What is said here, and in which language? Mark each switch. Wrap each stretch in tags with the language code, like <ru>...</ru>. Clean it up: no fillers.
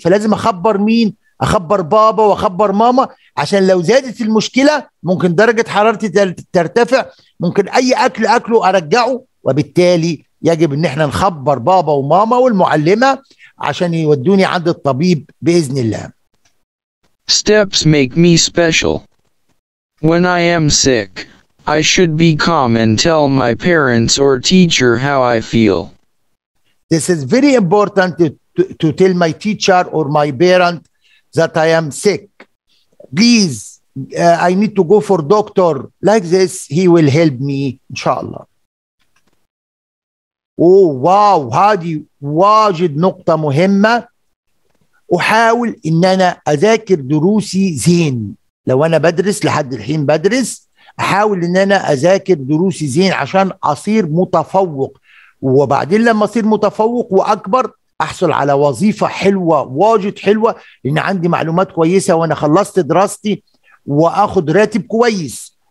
<ar>فلازم أخبر مين؟ أخبر بابا وأخبر ماما، عشان لو زادت المشكلة ممكن درجة حرارتي ترتفع، ممكن أي أكل أكله أرجعه. وبالتالي يجب أن احنا نخبر بابا وماما والمعلمة عشان يودوني عند الطبيب بإذن الله.</ar> <en>Steps make me special. When I am sick, I should be calm and tell my parents or teacher how I feel. This is very important to tell my teacher or my parent that I am sick. Please I need to go for doctor like this, he will help me inshallah. Oh wow,</en> <ar>هذه واجد نقطة مهمة. أحاول إن أنا أذاكر دروسي زين. لو أنا بدرس لحد الحين بدرس، أحاول إن أنا أذاكر دروسي زين عشان أصير متفوق، وبعدين لما أصير متفوق وأكبر أحصل على وظيفة حلوة واجد حلوة، لأن عندي معلومات كويسة وأنا خلصت دراستي وأخذ راتب كويس.</ar>